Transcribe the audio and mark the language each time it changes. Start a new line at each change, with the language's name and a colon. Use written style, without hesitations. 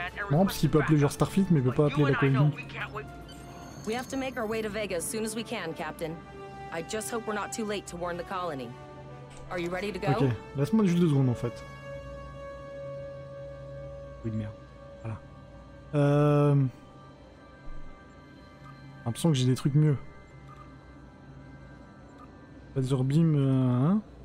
French: Non, parce qu'il peut appeler genre Starfleet, mais il peut pas appeler la colonie.
English: We have to make our way to Vega as soon as we can, Captain. I just hope we're not too late to warn the colony. Are you ready to go?
French: Ok, laisse-moi juste deux secondes en fait. Oui de merde. Voilà. J'ai l'impression que j'ai des trucs mieux.
English: Laser beam, hein?